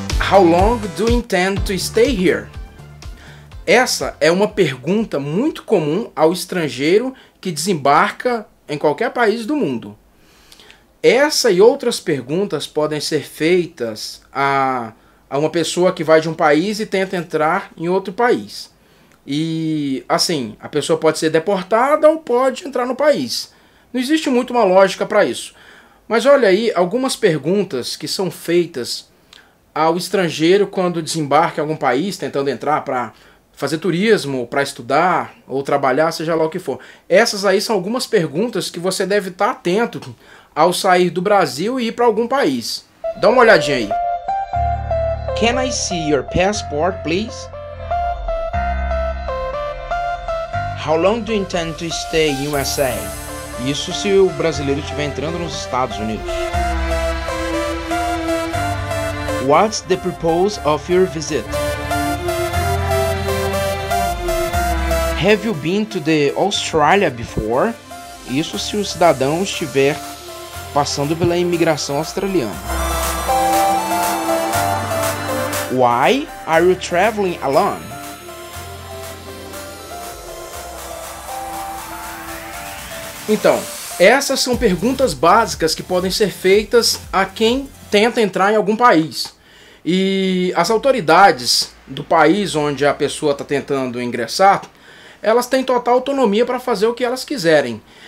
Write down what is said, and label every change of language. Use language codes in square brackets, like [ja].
[en] How long do you intend to stay here? [pt] Essa é uma pergunta muito comum ao estrangeiro que desembarca em qualquer país do mundo. Essa e outras perguntas podem ser feitas a uma pessoa que vai de um país e tenta entrar em outro país. E, assim, a pessoa pode ser deportada ou pode entrar no país. Não existe muito uma lógica para isso. Mas olha aí algumas perguntas que são feitas ao estrangeiro quando desembarca em algum país, tentando entrar para fazer turismo, para estudar ou trabalhar, seja lá o que for. Essas aí são algumas perguntas que você deve estar atento ao sair do Brasil e ir para algum país. Dá uma olhadinha aí. [en] Can I see your passport, please? How long do you intend to stay in USA? [pt] Isso se o brasileiro estiver entrando nos Estados Unidos. [en] What's the purpose of your visit? Have you been to the Australia before? [pt] Isso se o cidadão estiver passando pela imigração australiana. [en] Why are you traveling alone? [pt] Então, essas são perguntas básicas que podem ser feitas a quem tenta entrar em algum país. E as autoridades do país onde a pessoa está tentando ingressar, elas têm total autonomia para fazer o que elas quiserem.